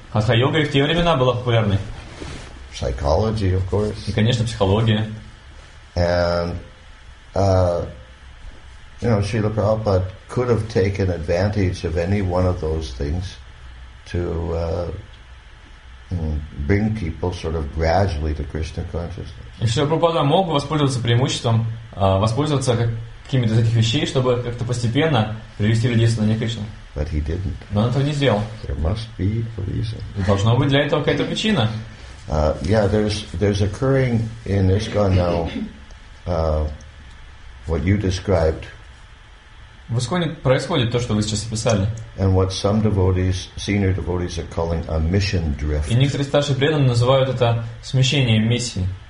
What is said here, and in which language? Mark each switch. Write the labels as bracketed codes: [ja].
[ru] Хатха йога и в те времена была популярной. [en] Psychology, of course. [ru] И, конечно, психология. [en] And you know, Srila Prabhupada could have taken advantage of any one of those things to bring people sort of gradually to Krishna consciousness. [ru] Srila Prabhupada мог воспользоваться преимуществом, воспользоваться какими-то из этих вещей, чтобы как-то постепенно привести людей к сознанию Кришны. [en] But he didn't. [ru] Но он этого не сделал. [en] There must be a reason. [ru] Должна быть для этого какая-то причина. [en] Yeah, there's occurring in ISKCON now what you described. [ru] В ИСККОНе происходит то, что вы сейчас описали. [en] And what some devotees, senior devotees are calling a mission drift. [ru] И некоторые старшие преданные называют это смещением миссии.